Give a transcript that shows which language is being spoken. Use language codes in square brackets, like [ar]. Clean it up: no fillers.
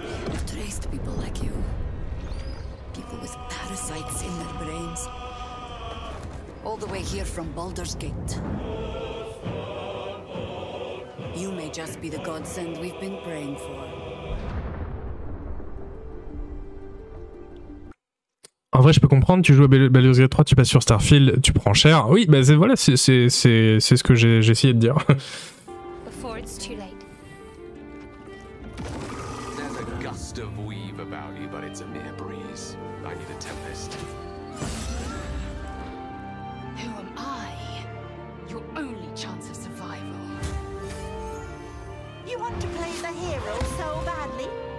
[en] We've traced people like you. People with parasites in their brains. All the way here from Baldur's Gate. You may just be the godsend we've been praying for. [fr] En vrai, je peux comprendre, tu joues à Baldur's Gate 3, tu passes sur Starfield, tu prends cher. Oui, bah c'est, voilà, c'est ce que j'ai essayé de dire. [en] Before it's too late. There's a gust of weave about you, but it's a mere breeze. I need a tempest. Who am I? Your only chance of survival. You want to play the hero so badly?